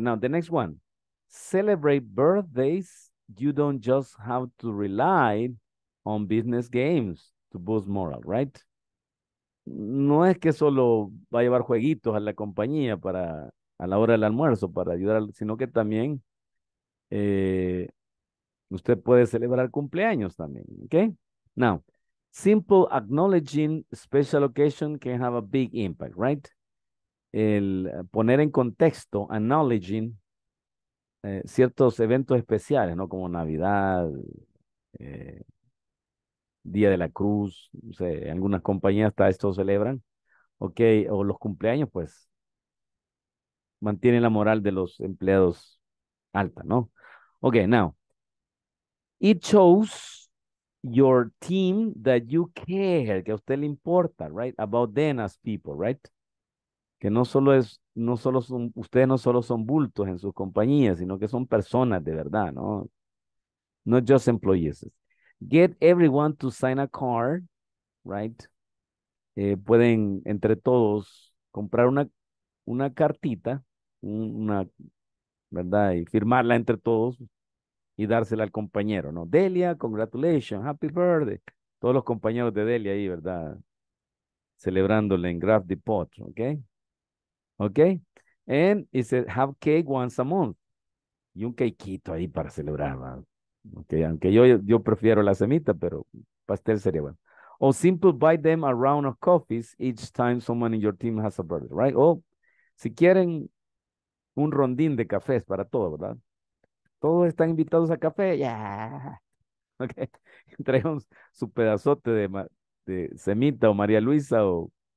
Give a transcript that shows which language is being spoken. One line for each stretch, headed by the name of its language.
English: Now, the next one, celebrate birthdays, you don't just have to rely on business games to boost morale, right?
Spanish: No es que solo va a llevar jueguitos a la compañía para, a la hora del almuerzo, para ayudar, sino que también, usted puede celebrar cumpleaños también, okay?
English: Now, simple acknowledging special occasion can have a big impact, right?
Spanish: El poner en contexto, acknowledging ciertos eventos especiales, ¿no? Como Navidad, Día de la Cruz, no sé, algunas compañías hasta esto celebran, okay? O los cumpleaños, pues, mantiene la moral de los empleados alta, ¿no?
English: Okay, now, it shows your team that you care,
Spanish: que a usted le importa,
English: right? About them as people, right?
Spanish: Que no solo son bultos en sus compañías, sino que son personas de verdad, ¿no?
English: Not just employees. Get everyone to sign a card, right?
Spanish: Pueden entre todos comprar una cartita, una, ¿verdad? Y firmarla entre todos. Y dársela al compañero, ¿no? Delia,
English: congratulations, happy birthday.
Spanish: Todos los compañeros de Delia ahí, ¿verdad? Celebrándole en Graph Depot, ¿ok? ¿Ok?
English: And it said, have cake once a month.
Spanish: Y un cakeito ahí para celebrar, ¿no? ¿Ok? Aunque yo prefiero la semita, pero pastel sería bueno.
English: O simple, buy them a round of coffees each time someone in your team has a birthday, ¿right?
Spanish: O si quieren un rondín de cafés para todos, ¿verdad? Todos están invitados a café, ya. Yeah. Ok. Traigan su pedazote de semita o María Luisa o.